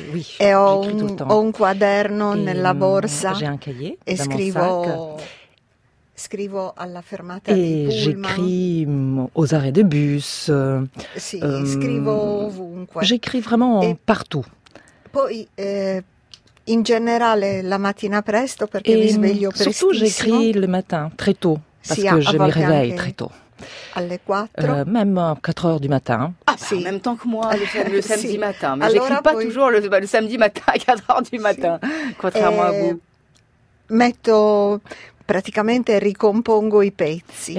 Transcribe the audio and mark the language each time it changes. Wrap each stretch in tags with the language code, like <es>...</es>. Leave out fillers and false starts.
<it>Oui, e ho un quaderno nella borsa.</it> <fr>J'ai un cahier.</fr> <it>E scrivo. Scrivo alla fermata di Pullman.</it> <fr>E j'écris aux arrêts de bus.</fr> <it>Sì, scrivo ovunque.</it> <fr>J'écris vraiment partout.</fr> <it>Poi, in generale, la mattina presto perché mi sveglio prestissimo.</it> <fr>Surtout, j'écris le matin, très tôt. Parce que je me réveille très tôt.</fr> <it>Alle 4.</it> <fr>Même à 4 heures du matin. En même temps que moi, le samedi matin. Mais je n'écris pas toujours le samedi matin à 4 heures du matin, contrairement à vous.</fr> <it>Metto, praticamente ricompongo i pezzi.</it>